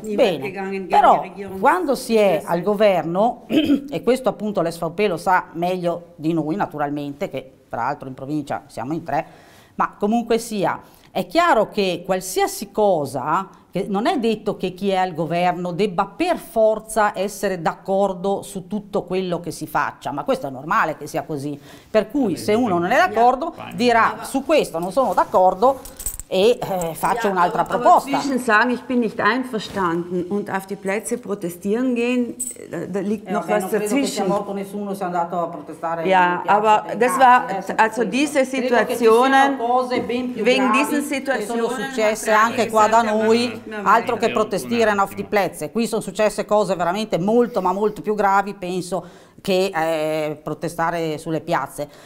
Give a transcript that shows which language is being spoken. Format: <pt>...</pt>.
<it>bene, però quando si è al governo, e questo appunto l'SVP lo sa meglio di noi naturalmente, che tra l'altro in provincia siamo in tre, ma comunque sia, è chiaro che qualsiasi cosa... Non è detto che chi è al governo debba per forza essere d'accordo su tutto quello che si faccia, ma questo è normale che sia così. Per cui se uno non è d'accordo dirà su questo non sono d'accordo e faccio un'altra proposta.</it> <de>Aber zwischen sagen ich bin nicht einverstanden und auf die Plätze protestieren gehen, da liegt noch was dazwischen.</de> <it>Non credo che sia morto nessuno, si è andato a protestare.</it> <de>Ja, aber das war also diese Situationen wegen diesen Situationen</de> <it>sono successe anche qua da noi, altro che</it> <de>protestieren auf die Plätze.</de> <it>Qui sono successe cose veramente molto ma molto più gravi, penso che protestare sulle piazze.</it>